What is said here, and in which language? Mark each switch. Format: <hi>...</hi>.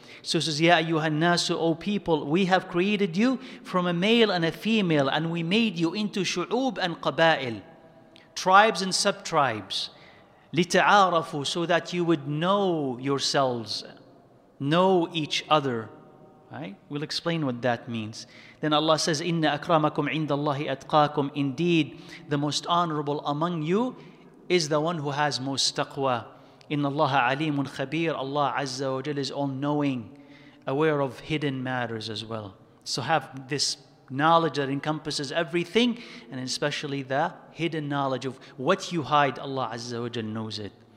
<en>So it says, Ya ayyuha an-nasu, O people, we have created you from a male and a female, and we made you into shu'ub and qaba'il, tribes and sub-tribes, لتعارفوا, so that you would know yourselves, know each other. Right? We'll explain what that means. Then Allah says,</en> <ar>إن أكرمكم عند الله أتقاكم.</ar> <en>Indeed, the most honorable among you is the one who has most taqwa.</en> <ar>إن الله عليم خبير.</ar> <en>Allah Azza wa Jalla is all-knowing, aware of hidden matters as well. So have this knowledge that encompasses everything, and especially the hidden knowledge of what you hide, Allah Azza wa Jalla knows it.</en>